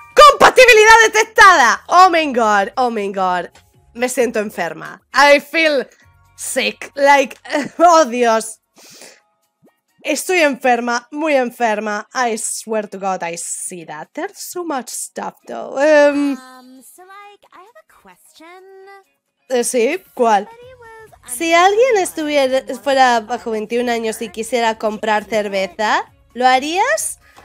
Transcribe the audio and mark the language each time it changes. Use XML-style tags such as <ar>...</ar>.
<es>¡Compatibilidad detectada!</es> <en>Oh my god, oh my god.</en> <es>Me siento enferma.</es> <en>I feel sick. Like,</en> <es>oh Dios. Estoy enferma, muy enferma.</es> <en>I swear to god I see that. There's so much stuff though. So like, I have a question.</en> <es>¿Sí? ¿Cuál?</es> <en>Somebody was</en> <es>Si alguien fuera bajo 21 años y quisiera comprar cerveza, ¿lo harías?</es>